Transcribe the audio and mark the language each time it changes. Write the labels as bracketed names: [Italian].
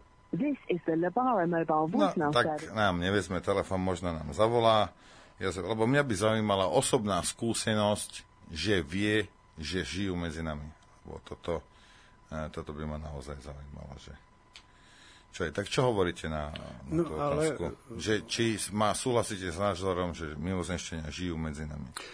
[English] This is the Labara mobile voice number. [Slovak] No, tak nám nevezme telefón, možno nám zavolá. Lebo mňa by zaujímala osobná skúsenosť, že vie, že žijú medzi nami. Lebo toto by ma naozaj zaujímalo. Že... Čo je, tak čo hovoríte na tú otázku? Ale... Že, či má súhlasíte s názorom, že mimozemšťania žijú medzi nami?